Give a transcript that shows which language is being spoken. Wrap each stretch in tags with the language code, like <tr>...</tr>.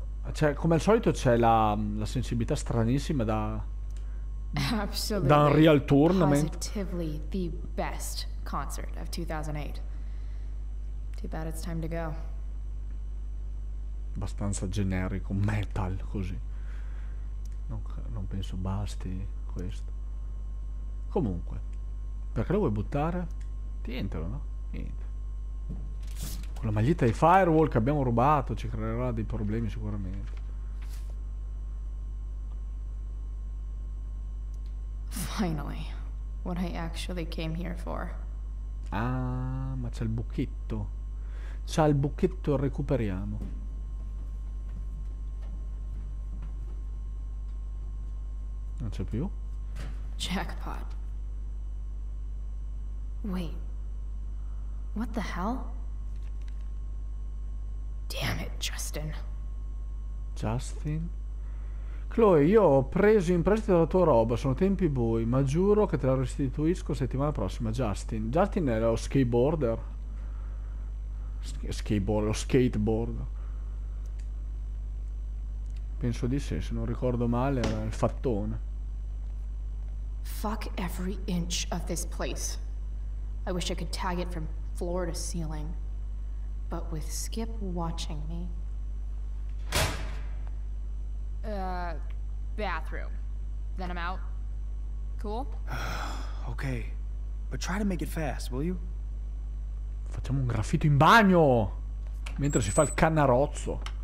<it>Cioè, come al solito c'è la sensibilità stranissima da</it> <en>Absolutely.</en> <it>Da Unreal Tournament.</it> <en>Positively the best concert of 2008. Too bad it's time to go.</en> <it>Abbastanza generico, metal così. Non penso basti questo. Comunque, perché lo vuoi buttare? Tientelo, no? Niente. Con la maglietta di Firewall che abbiamo rubato ci creerà dei problemi sicuramente.</it> <en>Finally, what I actually came here for.</en> <it>Ah, ma c'è il buchetto. C'è il buchetto, recuperiamo. Non c'è più.</it> <en>Jackpot. Wait. What the hell? Damn it, Justin. Justin?</en> <it>Chloe, io ho preso in prestito la tua roba, sono tempi bui, ma giuro che te la restituisco settimana prossima. Justin. Justin è lo skateboarder. Skateboarder, lo skateboard. Penso di sì, se non ricordo male, era il fattone.</it> <en>Fuck every inch of this place. I wish I could tag it from floor to ceiling. But with Skip watching me... Bathroom. Then I'm out. Cool? Okay. But try to make it fast, will you?</en> <it>Facciamo un graffito in bagno! Mentre si fa il cannarozzo.</it>